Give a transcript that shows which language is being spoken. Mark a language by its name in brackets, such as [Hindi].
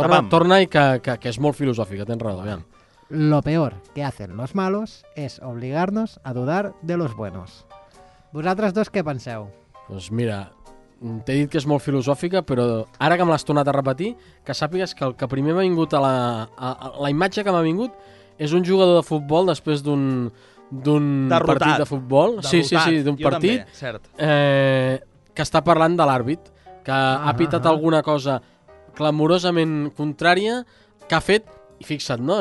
[Catalan] Torna-hi, que és molt filosòfica, tens raó. Aviam. [Spanish] Lo peor que hacen los malos es obligarnos a dudar de los buenos. [Catalan] Vosaltres dos, què penseu? Pues mira, t'he dit que és molt filosòfica, però ara que me l'has tornat a repetir, que sàpigues que el que primer m'ha vingut a la imatge que m'ha vingut és un jugador de futbol després d'un d'un partit de futbol, d'un partit, que està parlant de l'àrbit, que ha pitat alguna cosa clamorosament contrària, que ha fet, i fixa't, no?